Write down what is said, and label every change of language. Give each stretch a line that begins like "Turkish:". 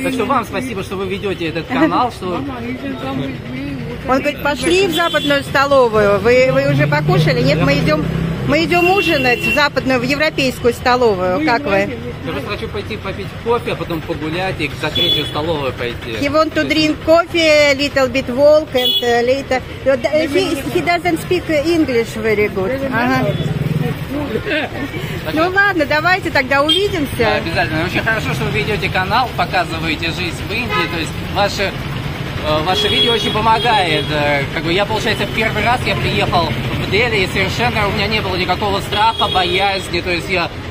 Russian: Так что вам спасибо, что вы ведете этот канал. Что... Он говорит, пошли в западную столовую. Вы уже покушали? Нет, мы идем ужинать в западную, в европейскую столовую. Как вы? Я просто хочу пойти попить кофе, а потом погулять и к третью столовую пойти.
English: He want to drink coffee, a little bit walk, and later... He doesn't speak English very good.
Russian: Ну ладно, давайте тогда увидимся. Да, обязательно. Очень хорошо, что вы ведете канал, показываете жизнь в Индии. То есть ваше видео очень помогает. Как бы, я, получается, первый раз я приехал в Дели, и совершенно у меня не было никакого страха, боязни. То есть я...